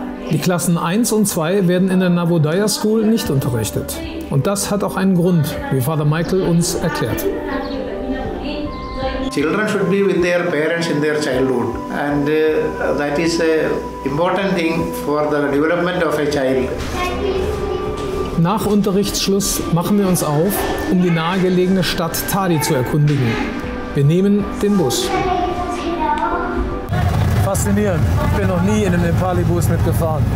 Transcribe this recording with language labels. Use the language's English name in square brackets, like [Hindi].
[German] Die Klassen 1 und 2 werden in der Navodaya School nicht unterrichtet. Und das hat auch einen Grund, wie Father Michael uns erklärt. [English] Children should be with their parents in their childhood. And that is an important thing for the development of a child. [German] Nach Unterrichtsschluss machen wir uns auf, um die nahegelegene Stadt Tadi zu erkundigen. Wir nehmen den Bus. Faszinierend. Ich bin noch nie in einem Nepali-Bus mitgefahren.